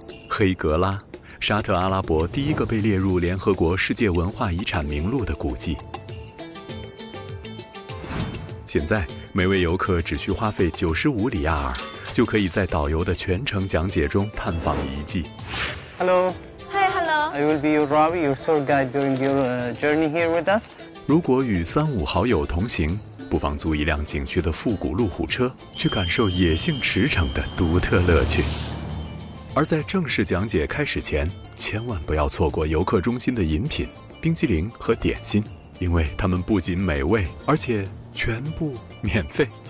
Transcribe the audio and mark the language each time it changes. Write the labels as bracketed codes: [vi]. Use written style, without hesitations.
[zh] 黑格拉，沙特阿拉伯第一个被列入联合国世界文化遗产名录的古迹。现在，每位游客只需花费95里亚尔，就可以在导游的全程讲解中探访遗迹。 [en] Hello。 Hi, hello. I will be Robbie, your tour guide during your journey here with us. [zh] 如果与3-5好友同行。不妨租一辆景区的复古路虎车，去感受野性驰骋的独特乐趣。而在正式讲解开始前，千万不要错过游客中心的饮品、冰激凌和点心，因为它们不仅美味，而且全部免费。